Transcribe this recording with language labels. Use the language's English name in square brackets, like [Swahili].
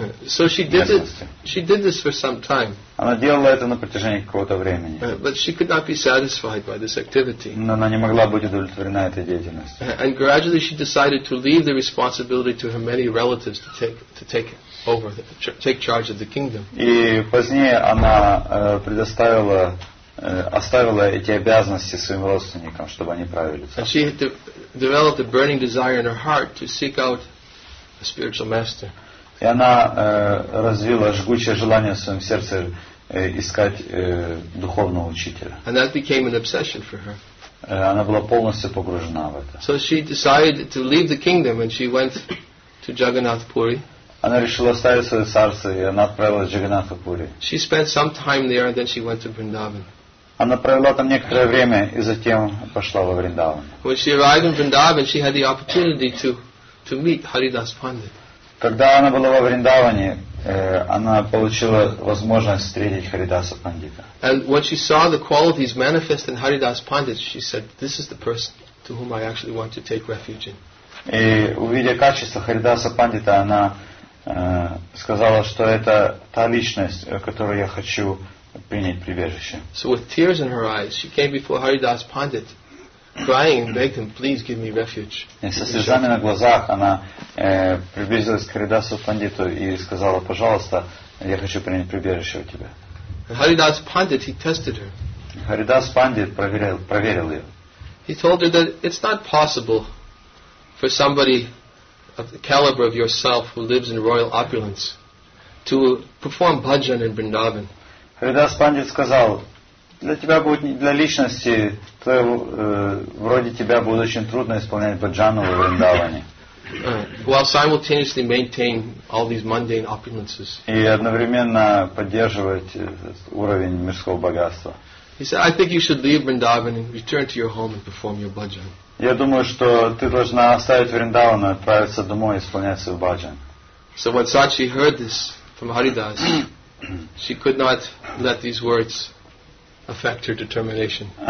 [English] So she did this for some time. [Russian] Она делала это на протяжении какого-то времени. [English] But she could not be satisfied by this activity. [Russian] Но она не могла быть удовлетворена этой деятельностью. [English] And gradually she decided to leave the responsibility to her many relatives take charge of the kingdom. [Russian] И позднее она предоставила оставила эти обязанности своим родственникам, чтобы они правили царство. [English] And she had developed a burning desire in her heart to seek out a spiritual master. [Russian] И она развила жгучее желание в своем сердце искать духовного учителя. [English] And that became an obsession for her. [Russian] Она была полностью погружена в это. [English] So she decided to leave the kingdom and she went to Jagannath Puri. [Russian] Она решила оставить свое царство, и она отправилась в Джагнатху Пури. [English] She spent some time there and then she went to Vrindavan. [Russian] Она провела там некоторое время и затем пошла во Вриндаван. [English] When she arrived in Vrindavan, she had the opportunity to meet Haridas Pandit. [Russian] Когда она была во Вриндаване, она получила возможность встретить Харидаса Пандита. [English] And when she saw the qualities manifest in Haridas Pandit, she said, "This is the person to whom I actually want to take refuge in." [Russian] И увидя качества Харидаса Пандита, она сказала, что это та личность, в которую я хочу принять прибежище. [English] So with tears in her eyes, she came before Haridas Pandit, crying and begged him, please give me refuge. [Russian] И со слезами на глазах она приблизилась к Харидасу Пандиту и сказала, пожалуйста, я хочу принять прибежище у тебя. [English] And Haridas Pandit, he tested her. [Russian] Харидас Пандит проверил ее. [English] He told her that it's not possible for somebody of the caliber of yourself who lives in royal opulence to perform bhajan in Vrindavan. [Russian] Харидас Пандит сказал, для тебя будет, для личности твоего, вроде тебя будет очень трудно исполнять бхаджану в Вриндаване. [English] While simultaneously maintain all these mundane opulences. [Russian] И одновременно поддерживать уровень мирского богатства. [English] He said, I think you should leave Vrindavan and return to your home and perform your bhajan. [Russian] Я думаю, что ты должна оставить Вриндаван и отправиться домой и исполнять свой бхаджан. [English] So when Sachi heard this from Haridas, she could not let these words affect her determination.